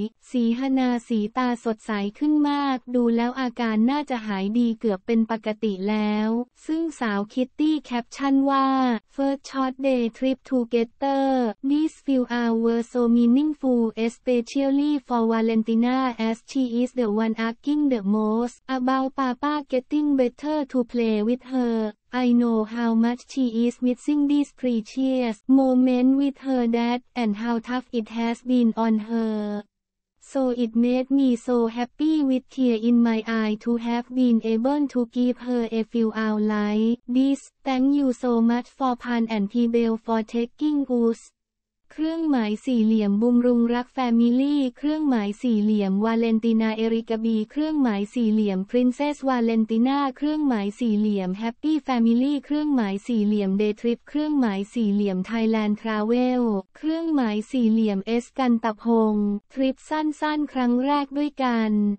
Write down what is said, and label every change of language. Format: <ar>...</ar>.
<th>สีหน้าสีตาสดใสขึ้นมากดูแล้วอาการน่าจะหายดีเกือบเป็นปกติแล้วซึ่งสาวคิตตี้แคปชั่นว่า</th> <en>First short day trip together These few hours were so meaningful especially for Valentina as she is the one asking the most about Papa getting better to play with herI know how much she is missing this precious moment with her dad and how tough it has been on her. So it made me so happy with tear in my eye to have been able to give her a few hours like this. Thank you so much for Pan and Pebble for taking us.</en> <th>เครื่องหมายสี่เหลี่ยมบุมรุงรักแฟมิลี่เครื่องหมายสี่เหลี่ยมวาเลนติน่าเอริกาบีเครื่องหมายสี่เหลี่ยมพรินเซสวาเลนติน่าเครื่องหมายสี่เหลี่ยมแฮปปี้แฟมิลี่เครื่องหมายสี่เหลี่ยมเดย์ทริปเครื่องหมายสี่เหลี่ยมไทยแลนด์ทราเวลเครื่องหมายสี่เหลี่ยมเอสกันตะพงทริปสั้นๆครั้งแรกด้วยกัน</th>